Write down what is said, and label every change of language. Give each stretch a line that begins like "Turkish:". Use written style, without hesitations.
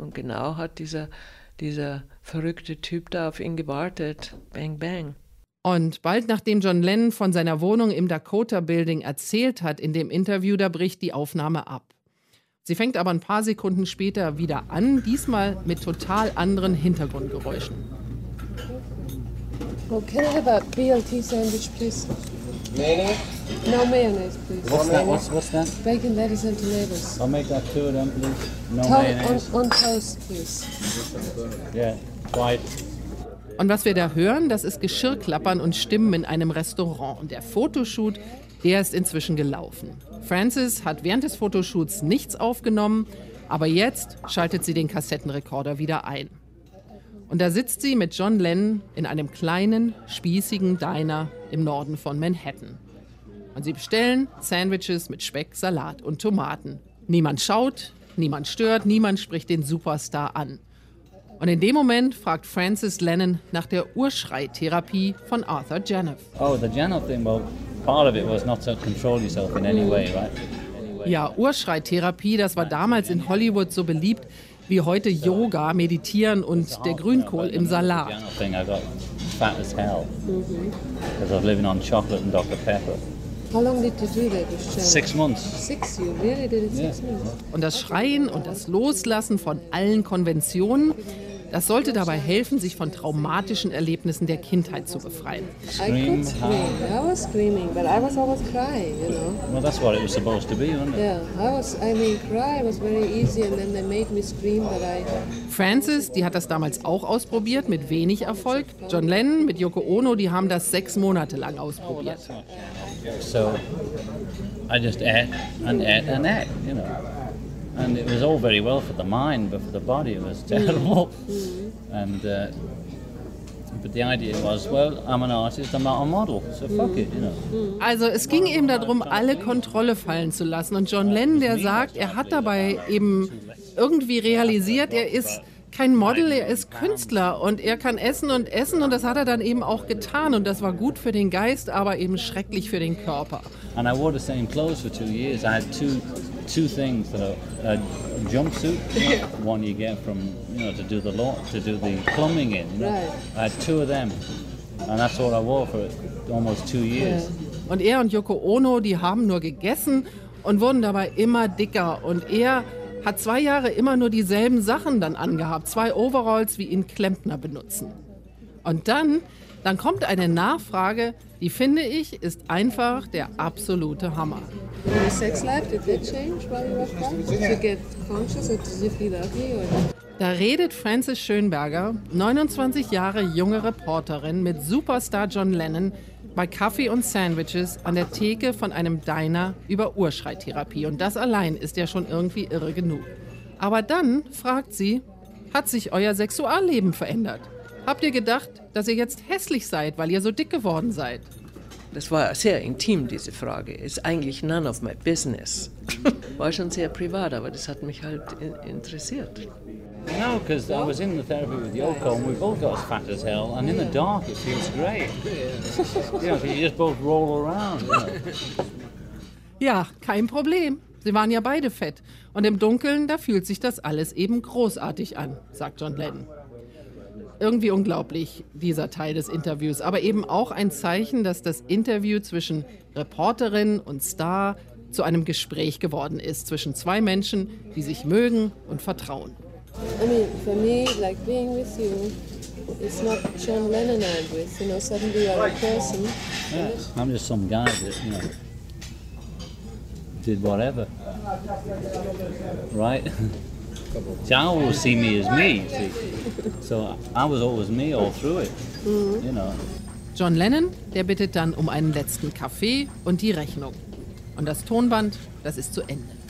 German: Und genau hat dieser verrückte Typ da auf ihn gewartet. Bang, bang. Und bald nachdem John Lennon von seiner Wohnung im Dakota Building erzählt hat in dem Interview, da bricht die Aufnahme ab. Sie fängt aber ein paar Sekunden später wieder an, diesmal mit total anderen Hintergrundgeräuschen.
English: Well, can I have a BLT sandwich, please? Mayonnaise? No mayonnaise, please. What's that? Bacon, lettuce, and tomatoes. I'll make that two of them, please. No mayonnaise. On toast, please. Yeah, white.
German: Und was wir da hören, das ist Geschirrklappern und Stimmen in einem Restaurant. Und der Fotoshoot, der ist inzwischen gelaufen. Frances hat während des Fotoshoots nichts aufgenommen, aber jetzt schaltet sie den Kassettenrekorder wieder ein. Und da sitzt sie mit John Lennon in einem kleinen, spießigen Diner im Norden von Manhattan. Und sie bestellen Sandwiches mit Speck, Salat und Tomaten. Niemand schaut, niemand stört, niemand spricht den Superstar an. Und in dem Moment fragt Frances Lennon nach der Urschreitherapie von Arthur Janoff.
English: Oh, the Janoff thing, well, part of it was not to control yourself in any way, right?
German: Ja, Urschreitherapie, das war damals in Hollywood so beliebt wie heute Yoga, Meditieren und der Grünkohl im Salat.
English: I got fat as hell. Because I was living on chocolate and Dr. Pepper. How long did you do that? 6 months. 6, you really did it 6 months.
German: Und das Schreien und das Loslassen von allen Konventionen, das sollte dabei helfen, sich von traumatischen Erlebnissen der Kindheit zu befreien.
English: I could scream. I was screaming, but I was always crying, you know. Well, that's what it was supposed to be, wasn't it? Yeah, cry was very easy and then they made me scream, but I...
German: Frances, die hat das damals auch ausprobiert, mit wenig Erfolg. John Lennon mit Yoko Ono, die haben das 6 Monate lang ausprobiert.
English: So, I just ate, you know. And it was all very well for the mind, but for the body it was terrible. Mm. But the idea was, well, I'm an artist, I'm not a model, so fuck it, you know.
German: Also es ging eben darum, alle Kontrolle fallen zu lassen. Und John Lennon, der sagt, er hat dabei eben irgendwie realisiert, er ist kein Model, er ist Künstler und er kann essen und essen und das hat er dann eben auch getan und das war gut für den Geist, aber eben schrecklich für den Körper.
English: And I wore the same clothes for 2 years. I had two things that a jumpsuit, one you get from, you know, to do the plumbing in. You know? Right. I had two of them, and that's all I wore for almost 2 years. Yeah.
German: Und er und Yoko Ono, die haben nur gegessen und wurden dabei immer dicker. Und er hat 2 Jahre immer nur dieselben Sachen dann angehabt, 2 Overalls, wie ihn Klempner benutzen. Und dann kommt eine Nachfrage, die finde ich, ist einfach der absolute Hammer.
English: Your sex life, did that change while you were born? Did you get conscious or did you feel ugly?
German: Da redet Frances Schönberger, 29 Jahre junge Reporterin mit Superstar John Lennon, bei Kaffee und Sandwiches an der Theke von einem Diner über Urschreitherapie. Und das allein ist ja schon irgendwie irre genug. Aber dann fragt sie, hat sich euer Sexualleben verändert? Habt ihr gedacht, dass ihr jetzt hässlich seid, weil ihr so dick geworden seid? Das war sehr intim, diese Frage. Ist eigentlich
English: none of my business.
German: War schon sehr privat, aber das hat mich halt interessiert.
English: No, because I was in the therapy with Yoko and we both got as fat as hell and in the dark it feels great. Yeah, because you just both roll around. You know?
German: Ja, kein Problem. Sie waren ja beide fett. Und im Dunkeln, da fühlt sich das alles eben großartig an, sagt John Lennon. Irgendwie unglaublich, dieser Teil des Interviews, aber eben auch ein Zeichen, dass das Interview zwischen Reporterin und Star zu einem Gespräch geworden ist, zwischen 2 Menschen, die sich mögen und vertrauen.
English: I mean, for me, like being with you, it's not John Lennon I'm with, you know, suddenly you're a person. Yeah, I'm just some guy that, you know, did whatever, right? John always see me as me, see? So I was always me all through it, you know.
German: John Lennon, der bittet dann um einen letzten Kaffee und die Rechnung. Und das Tonband, das ist zu Ende.